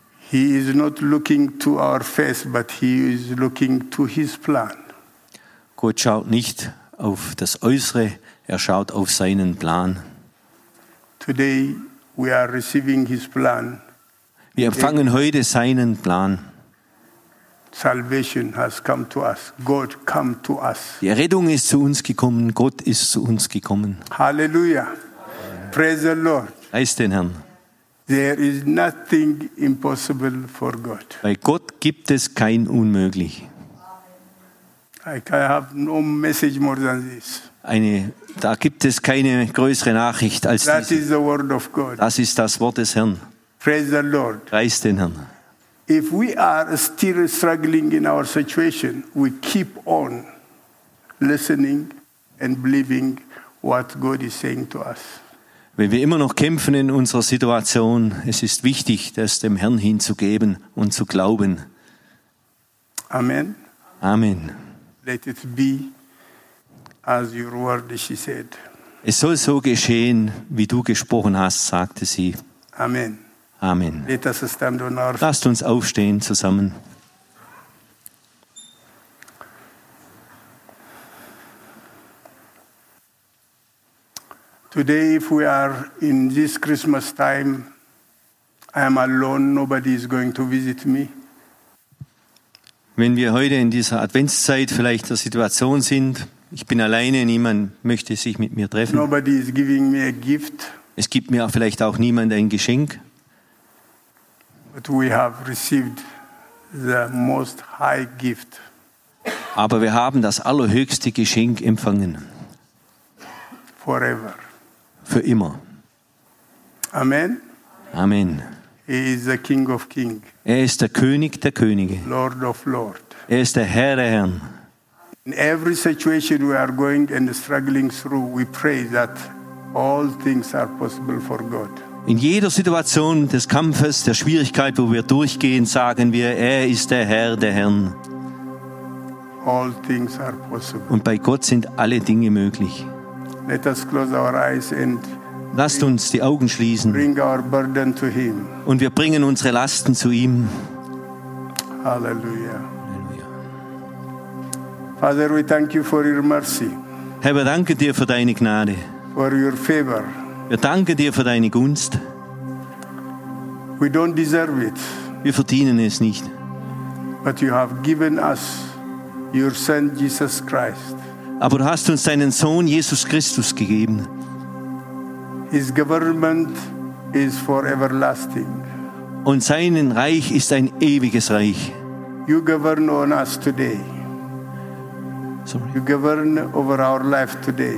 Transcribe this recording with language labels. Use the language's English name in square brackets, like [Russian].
[English] He is not looking to our face, but he is looking to his plan. [German] Gott schaut nicht auf das Äußere, er schaut auf seinen Plan. [English] Today we are receiving his plan. [German] Wir empfangen heute seinen Plan. [English] Salvation has come to us. God come to us. [German] Die Errettung ist zu uns gekommen, Gott ist zu uns gekommen. [English] Halleluja. Praise the Lord. [German] Preist den Herrn. [English] There is nothing impossible for God. [German] Bei Gott gibt es kein Unmöglich. [English] I have no message more than this. [German] Da gibt es keine größere Nachricht als [English] that [German] diese. [English] Is the word of God. [German] Das ist das Wort des Herrn. [English] Praise the Lord. [German] Preist den Herrn. [English] If we are still struggling in our situation, we keep on listening and believing what God is saying to us. [German] Wenn wir immer noch kämpfen in unserer Situation, es ist wichtig, das dem Herrn hinzugeben und zu glauben. [English] Amen. [German] Amen. [English] Let it be as your word, she said. [German] Es soll so geschehen, wie du gesprochen hast, sagte sie. [English] Amen. [German] Amen. [English] Let us stand on our... [German] Lasst uns aufstehen zusammen. [English] Today, if we are in this Christmas time, I am alone. Nobody is going to visit me. [German] Wenn wir heute in dieser Adventszeit vielleicht der Situation sind, ich bin alleine, niemand möchte sich mit mir treffen. [English] Nobody is giving me a gift. [German] Es gibt mir vielleicht auch niemand ein Geschenk. [English] But we have received the most high gift. [German] Aber wir haben das allerhöchste Geschenk empfangen. [English] Forever. [German] Für immer. [English] Amen. [German] Amen. [English] He is the King of Kings. [German] Er ist der König der Könige. [English] Lord of Lords. [German] Er ist der Herr der Herren. [English] In every situation we are going and struggling through, we pray that all things are possible for God. [German] In jeder Situation des Kampfes, der Schwierigkeit, wo wir durchgehen, sagen wir, er ist der Herr der Herren. [English] All things are possible. [German] Und bei Gott sind alle Dinge möglich. [English] Let us close our eyes and [German] lasst uns die Augen schließen. [English] Bring our burden to him. [German] Und wir bringen unsere Lasten zu ihm. [English] Halleluja. Halleluja. Father, we thank you for your mercy. [German] Herr, wir danken dir für deine Gnade. [English] For your favor. [German] Wir danken dir für deine Gunst. [English] We don't deserve it. [German] Wir verdienen es nicht. [English] But you have given us your son Jesus Christ. [German] Aber du hast uns deinen Sohn Jesus Christus gegeben. [English] His government is for everlasting. [German] Und sein Reich ist ein ewiges Reich. [English] You govern on us today. Sorry. You govern over our life today.